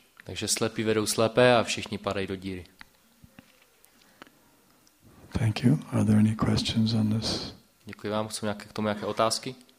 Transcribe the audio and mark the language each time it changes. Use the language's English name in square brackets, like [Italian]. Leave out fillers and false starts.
[Czech] Takže slepí vedou slepé a všichni padají do díry. [English] Thank you. Are there any questions on this? [Czech] Děkuji vám, chci nějaké k tomu nějaké otázky.